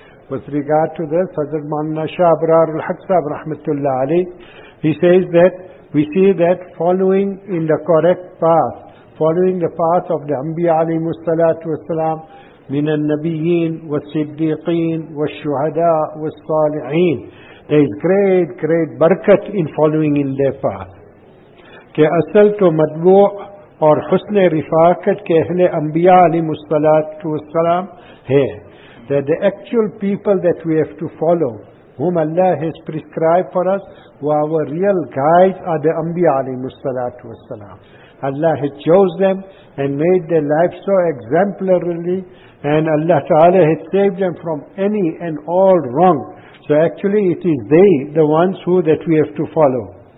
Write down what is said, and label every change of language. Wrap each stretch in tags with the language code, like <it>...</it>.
<en>With regard to this, Hazrat Manna Shah Abrar al-Haq Sahib Rahmatullah Ali, he says that we see that following in the correct path, following the path of the Anbiya alayhi mustalatu wassalam,</en> <ar>minan nabiyyin wa siddiqeen wa shuhada wa saliheen,</ar> <en>there is great, great barkat in following in their path.</en> <ur>Ke asal to madbu' اور حسن رفاقت کے اہل انبیاء علیہ السلام ہے.</ur> <en>That the actual people that we have to follow, whom Allah has prescribed for us, who our real guides are the انبیاء علیہ السلام. Allah has chosen them and made their life so exemplarily, and Allah Ta'ala has saved them from any and all wrong. So actually it is they, the ones who that we have to follow.</en>